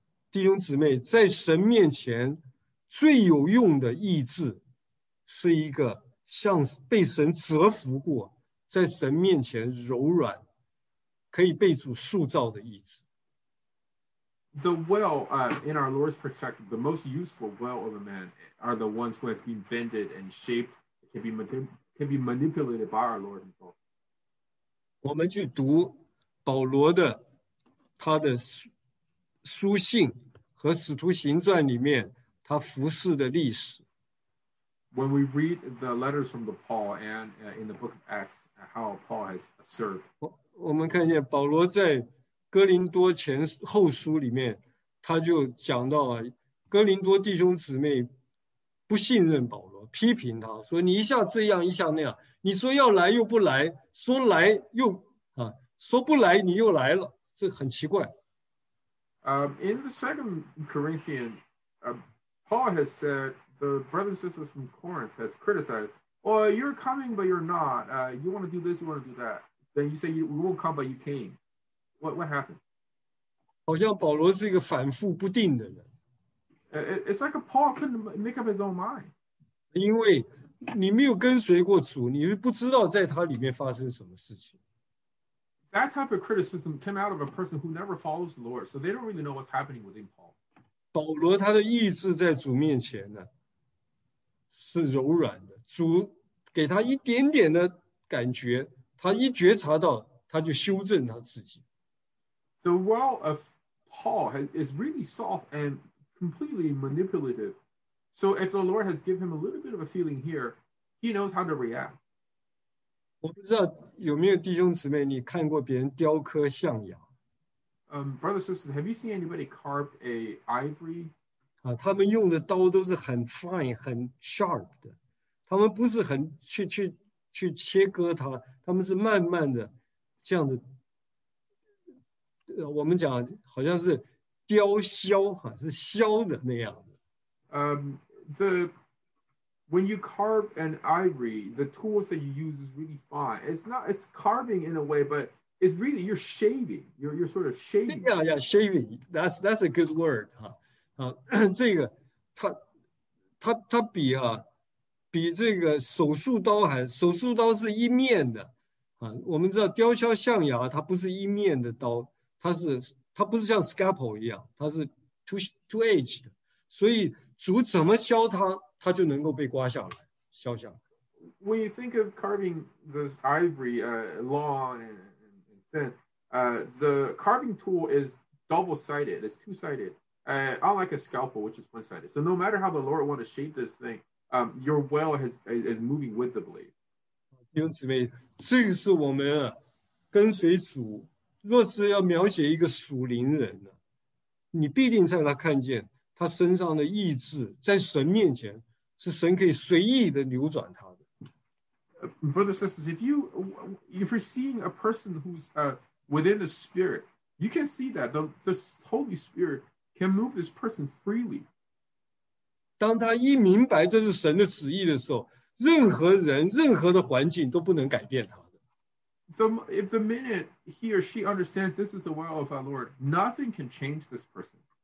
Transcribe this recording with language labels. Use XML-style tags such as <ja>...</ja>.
<zh>弟兄姊妹，在神面前最有用的意志是一个像被神折服过，在神面前柔软，可以被主塑造的意志。</zh> <en>The will, in our Lord's perspective, the most useful will of a man are the ones who have been bended and shaped, can be manipulated by our Lord himself.</en> <zh>我们去读保罗的他的书信和使徒行传里面他服事的历史。</zh> <en>When we read the letters from the Paul and in the book of Acts, how Paul has served.</en> <zh>我们看见保罗在哥林多前后书里面，他就讲到啊，哥林多弟兄姊妹不信任保罗，批评他说：“你一下这样，一下那样，你说要来又不来，说来又说不来你又来了，这很奇怪。”</zh> <en>In the second Corinthian, Paul has said the brothers and sisters from Corinth has criticized, "Oh, you're coming, but you're not. You want to do this, you want to do that. Then you say you won't come, but you came." What happened?</en> <zh>好像保罗是一个反复不定的人。</zh> <en>It's like a Paul couldn't make up his own mind.</en> <zh>因为你没有跟随过主，你不知道在他里面发生什么事情。</zh> <en>That type of criticism came out of a person who never follows the Lord, so they don't really know what's happening within Paul.</en> <zh>保罗他的意志在主面前呢，是柔软的，主给他一点点的感觉，他一觉察到，他就修正他自己。</zh> <en>The will of Paul is really soft and completely manipulative. So if the Lord has given him a little bit of a feeling here, he knows how to react.</en> <zh>我不知道有没有弟兄姊妹，你看过别人雕刻象牙？</zh> <en>Brother, sister, have you seen anybody carved a ivory?</en> <zh>他们用的刀都是很 fine, 很 sharp 的。他们不是很去切割它，他们是慢慢的这样子。我们讲好像是雕削，是削的那样的。</zh> <en>When you carve an ivory, the tools that you use is really fine. It's carving in a way, but it's really, you're shaving. You're sort of shaving. Yeah, shaving. That's a good word.</en> <zh>这个它比啊，比这个手术刀还，手术刀是一面的。我们知道雕削象牙它不是一面的刀。它不是像 scalpel 一样，它是 two-edged 的，所以主怎么削它，它就能够被刮下来、削下来。</zh> <en>When you think of carving this ivory, long and the carving tool is double-sided. It's two-sided. I like a scalpel, which is one-sided. So no matter how the Lord wants to shape this thing, your well is moving with the blade.</en> <zh>弟兄姊妹，这是我们跟随主。若是要描写一个属灵人，你必定在他看见他身上的意志，在神面前是神可以随意的扭转他的。</zh> <en>Brothers and sisters, if you're seeing a person who's within the Spirit, you can see that the Holy Spirit can move this person freely.</en> <zh>当他一明白这是神的旨意的时候， 任何人，任何的环境都不能改变他的。</zh> <en>So if the minute he or she understands this is the will of our Lord, nothing can change this person.</en>